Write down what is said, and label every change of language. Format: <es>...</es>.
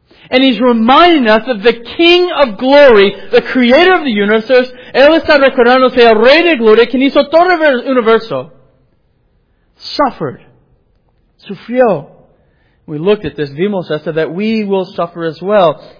<en>And he's reminding us of the King of Glory, the Creator of the universe.</en> <es>Él está recordando que el Rey de Gloria, quien hizo todo el universo, suffered. Sufrió.</es> <en>We looked at this,</en> <es>vimos esto,</es> <en>that we will suffer as well.</en>